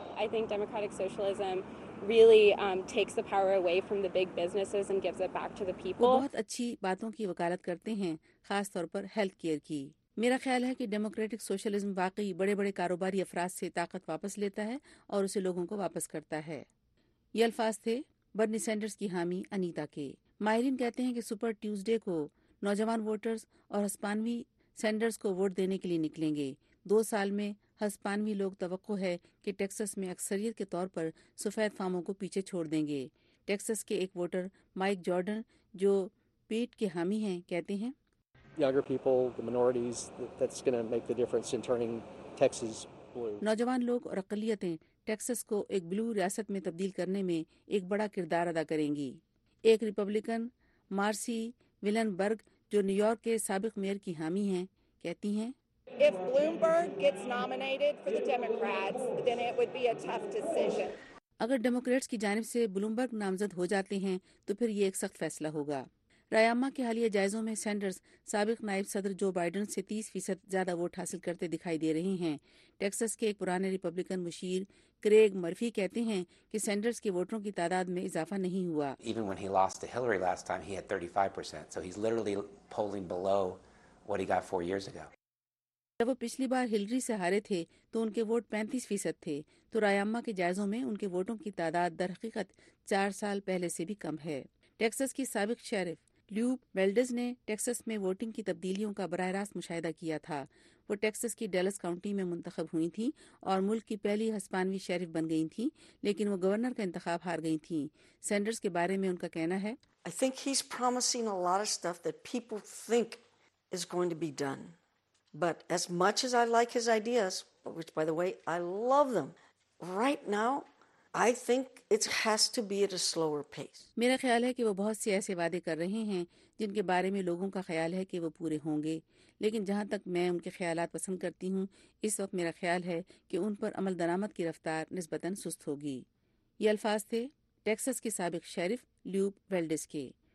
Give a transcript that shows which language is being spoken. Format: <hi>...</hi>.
<en>really takes the power away from the big businesses and gives it back to the people.</en> <ur>بہت اچھی باتوں کی وکالت کرتے ہیں, خاص طور پر ہیلتھ کیئر کی. میرا خیال ہے کہ ڈیموکریٹک سوشلزم واقعی بڑے بڑے کاروباری افراد سے طاقت واپس لیتا ہے اور اسے لوگوں کو واپس کرتا ہے. یہ الفاظ تھے برنی سینڈرز کی حامی انیتا کے. ماہرین کہتے ہیں کہ سپر ٹیوزڈے کو نوجوان ووٹرز اور ہسپانوی سینڈرز کو ووٹ دینے کے لیے نکلیں گے. 2 سال میں ہسپانوی لوگ توقع ہے کہ ٹیکساس میں اکثریت کے طور پر سفید فاموں کو پیچھے چھوڑ دیں گے. ٹیکساس کے ایک ووٹر مائک جارڈن, جو پیٹ کے حامی ہیں, کہتے ہیں, نوجوان لوگ اور اقلیتیں ٹیکساس کو ایک بلو ریاست میں تبدیل کرنے میں ایک بڑا کردار ادا کریں گی. ایک ریپبلکن مارسی ویلن برگ, جو نیو یارک کے سابق میئر کی حامی ہیں, کہتی ہیں,</ur> <en>If Bloomberg gets nominated for the Democrats, then it would be a tough decision.</en> <ur>اگر ڈیموکریٹس کی جانب سے بلومبرگ نامزد ہو جاتے ہیں تو پھر یہ ایک سخت فیصلہ ہوگا. رائیاما کے حالیہ جائزوں میں سینڈرز سابق نائب صدر جو بائیڈن سے 30% زیادہ ووٹ حاصل کرتے دکھائی دے رہے ہیں. ٹیکساس کے ایک پرانے ریپبلکن مشیر کریگ مرفی کہتے ہیں کہ سینڈرز کے ووٹروں کی تعداد میں اضافہ نہیں ہوا.</ur> <en>Even when he lost to Hillary last time, he had 35%. So he's literally polling below what he got 4 years ago.</en> <ur>جب وہ پچھلی بار ہلری سے ہارے تھے تو ان کے ووٹ 35% تھے. تو رائیاما کے جائزوں میں ان کے ووٹوں کی تعداد درحقیقت 4 سال پہلے سے بھی کم ہے. ٹیکساس کی سابق شیرف لیوب ویلڈز نے ٹیکساس میں ووٹنگ کی تبدیلیوں کا براہ راست مشاہدہ کیا تھا. وہ ٹیکساس کی ڈیلس کاؤنٹی میں منتخب ہوئی تھیں اور ملک کی پہلی ہسپانوی شیرف بن گئی تھیں، لیکن وہ گورنر کا انتخاب ہار گئی تھیں. سینڈرز کے بارے میں ان کا کہنا ہے،</ur> <en>I think he's promising a lot of stuff that people think is going to be done. But as much as I like his ideas, which by the way, I love them, right now, I think it has to be at a slower pace.</en> <ur>میرا خیال ہے کہ وہ بہت سے ایسے وعدے کر رہے ہیں جن کے بارے میں لوگوں کا خیال ہے کہ وہ پورے ہوں گے، لیکن جہاں تک میں ان کے خیالات پسند کرتی ہوں، اس وقت میرا خیال ہے کہ ان پر عمل درآمد کی رفتار نسبتاً سست ہوگی. یہ الفاظ تھے ٹیکساس کے سابق شیرف لیوب ویلڈز کے.</ur>